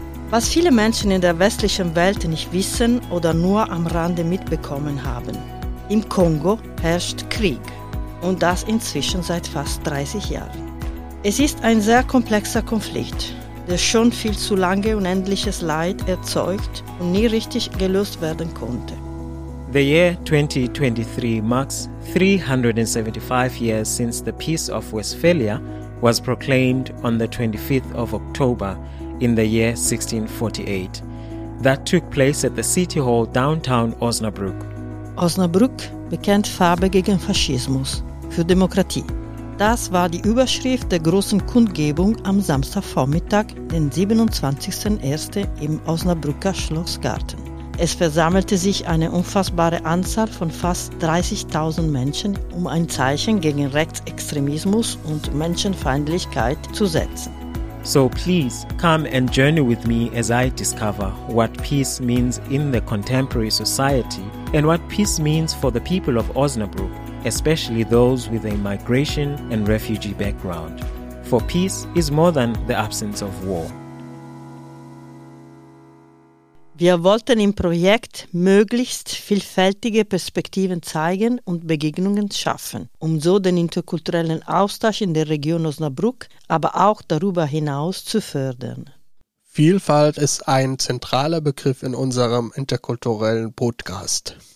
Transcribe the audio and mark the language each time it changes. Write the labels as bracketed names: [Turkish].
[German] Was viele Menschen in der westlichen Welt nicht wissen oder nur am Rande mitbekommen haben: Im Kongo herrscht Krieg und das inzwischen seit fast 30 Jahren. Es ist ein sehr komplexer Konflikt, der schon viel zu lange unendliches Leid erzeugt und nie richtig gelöst werden konnte. [English] The year 2023 marks 375 years since the Peace of Westphalia was proclaimed on the 25th of October in the year 1648. That took place at the City Hall downtown Osnabrück. [German] Osnabrück bekennt Farbe gegen Faschismus, für Demokratie. Das war die Überschrift der großen Kundgebung am Samstagvormittag, den 27.01. im Osnabrücker Schlossgarten. Es versammelte sich eine unfassbare Anzahl von fast 30.000 Menschen, um ein Zeichen gegen Rechtsextremismus und Menschenfeindlichkeit zu setzen. [English] So please come and journey with me as I discover what peace means in the contemporary society and what peace means for the people of Osnabrück, especially those with a migration and refugee background. For peace is more than the absence of war. [German] Wir wollten im Projekt möglichst vielfältige Perspektiven zeigen und Begegnungen schaffen, um so den interkulturellen Austausch in der Region Osnabrück, aber auch darüber hinaus zu fördern. Vielfalt ist ein zentraler Begriff in unserem interkulturellen Podcast.